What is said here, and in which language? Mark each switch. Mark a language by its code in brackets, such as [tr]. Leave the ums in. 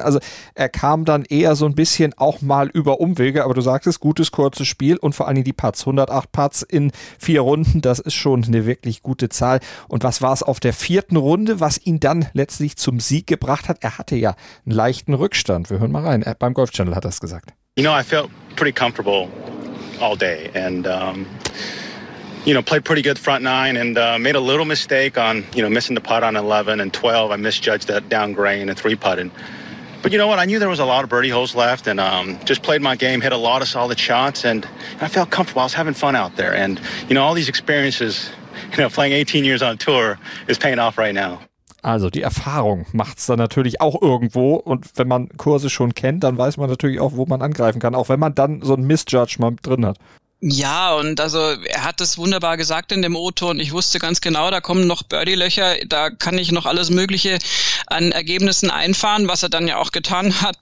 [de] Also er kam dann eher so ein bisschen auch mal über Umwege, aber du sagtest, gutes, kurzes Spiel und vor allen Dingen die Parts, 108 Parts in vier Runden, das ist schon eine wirklich gute Zahl. Und was war es auf der vierten Runde, was ihn dann letztlich zum Sieg gebracht hat? Er hatte ja einen leichten Rückstand. Wir hören mal rein. Er, beim Golf Channel hat das gesagt. [en] You know, I felt pretty comfortable all day. And um you know, played pretty good front nine and uh, made a little mistake on, you know, missing the putt on 11 and 12. I misjudged that down grain and three putting. But you know what? I knew there was a lot of birdie holes left and um, just played my game, hit a lot of solid shots, and, and I felt comfortable. I was having fun out there. And, you know, all these experiences, you know, playing 18 years on tour is paying off right now. [de] Also, die Erfahrung macht es dann natürlich auch irgendwo. Und wenn man Kurse schon kennt, dann weiß man natürlich auch, wo man angreifen kann. Auch wenn man dann so ein Misjudgment drin hat. Ja, und also er hat das wunderbar gesagt in dem O-Ton. Ich wusste ganz genau, da kommen noch Birdie-Löcher, da kann ich noch alles Mögliche an Ergebnissen einfahren, was er dann ja auch getan hat.